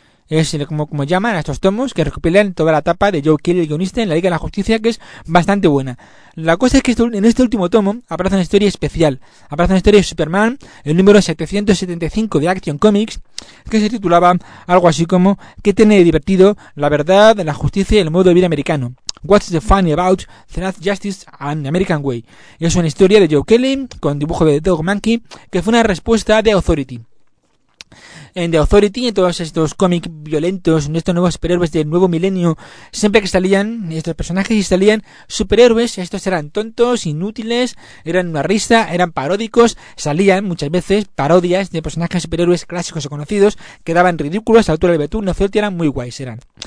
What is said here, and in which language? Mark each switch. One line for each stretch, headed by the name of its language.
Spanish: Es como llaman a estos tomos, que recopilan toda la etapa de Joe Kelly, el guionista, en la Liga de la Justicia, que es bastante buena. La cosa es que en este último tomo aparece una historia especial. Aparece una historia de Superman, el número 775 de Action Comics, que se titulaba algo así como ¿Qué tiene de divertido la verdad, la justicia y el modo de vida americano?
English: What's the funny about the Last Justice and the American Way?
Spanish: Es una historia de Joe Kelly, con dibujo de Doug Mankey, que fue una respuesta de Authority. En The Authority, en todos estos cómics violentos, en estos nuevos superhéroes del nuevo milenio, siempre que salían estos personajes y salían superhéroes, estos eran tontos, inútiles, eran una risa, eran paródicos, salían muchas veces parodias de personajes superhéroes clásicos o conocidos, quedaban ridículos a la altura del betún, Authority eran muy guays, eran.